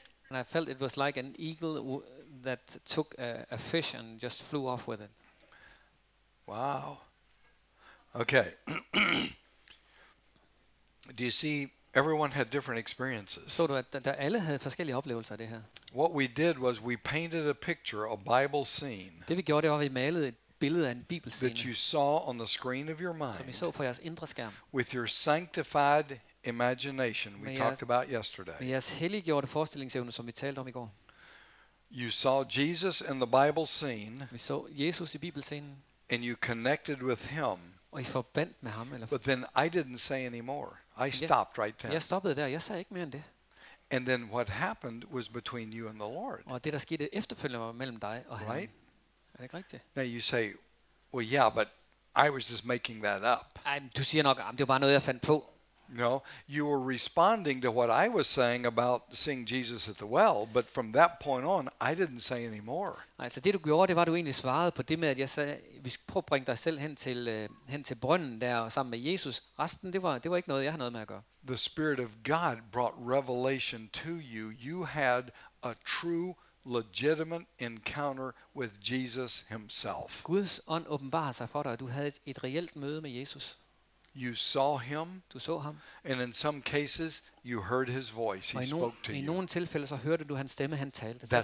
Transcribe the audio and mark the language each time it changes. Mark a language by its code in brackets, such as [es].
[en] And I felt it was like an eagle that took a fish and just flew off with it. Wow. Okay. Do you see, everyone had different experiences. [da] Så du, at der alle havde forskellige oplevelser af det her. [en] What we did was we painted a picture, a Bible scene. [da] Det vi gjorde, det var, at vi malede et billede af en bibelscene. [en] That you saw on the screen of your mind. [da] Som I så på jeres indre skærm. [en] With your sanctified imagination we talked about yesterday. [da] Med jeres helliggjorte forestillingsevne, som vi talte om i går. [en] You saw Jesus in the Bible scene. [da] Vi så Jesus i bibelscenen. [en] And you connected with him. [da] Og I forbandt med ham. Eller? [en] But then I didn't say any more. I stopped right then. [da] Jeg stoppede der. Jeg sagde ikke mere end det. [en] And then what happened was between you and the Lord. [da] Og det der skete efterfølgende var mellem dig og ham. [en] Right? [da] Er det ikke rigtigt? [en] Now you say, well, yeah, but I was just making that up. [da] Ej, du siger nok, det var bare noget jeg fandt på. [en] No, you were responding to what I was saying about seeing Jesus at the well, but from that point on, I didn't say any more. [da] Altså det du gjorde, det var du egentlig svarede på det med at jeg sagde, vi skal prøve at bringe dig selv hen til brønden der sammen med Jesus. Resten det var ikke noget jeg har noget med at gøre. [en] The Spirit of God brought revelation to you. You had a true legitimate encounter with Jesus himself. [da] Guds ånd åbenbarede sig for dig, og du havde et reelt møde med Jesus. [en] You saw him. [da] Du så ham. [en] And in some cases you heard his voice. He spoke to you. [da] I nogle tilfælde så hørte du hans stemme, han talte til dig.